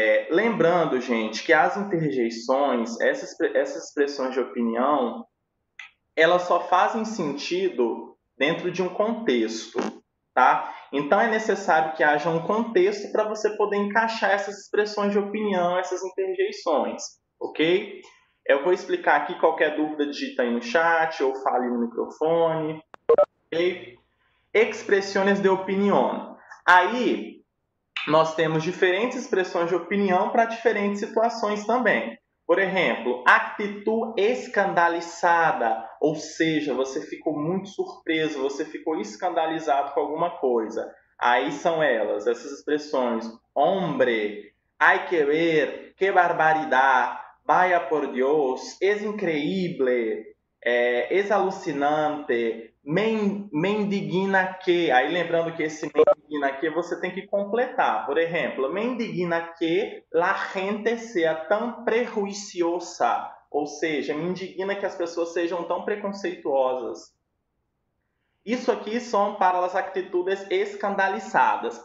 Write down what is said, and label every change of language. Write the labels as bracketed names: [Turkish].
[Portuguese] Lembrando, gente, que as interjeições, essas expressões de opinião, elas só fazem sentido dentro de um contexto, tá? Então é necessário que haja um contexto para você poder encaixar essas expressões de opinião, essas interjeições, ok? Eu vou explicar aqui, qualquer dúvida, digita aí no chat ou fale no microfone, ok? [Spanish] Expressiones de opinión. [Portuguese] Aí nós temos diferentes expressões de opinião para diferentes situações também. Por exemplo, [Spanish] actitud escandalizada, [Portuguese] ou seja, você ficou muito surpreso, você ficou escandalizado com alguma coisa. Aí são elas, essas expressões. [Spanish] Hombre, hay que ver, qué barbaridad, vaya por Dios, es increíble, es alucinante, mendigna que. [Portuguese] Aí lembrando que esse [Spanish] mendigna que você tem que completar. Por exemplo, mendigna que la gente sea tan prejuiciosa. [Portuguese] Ou seja, me indigna que as pessoas sejam tão preconceituosas. Isso aqui são para as atitudes escandalizadas.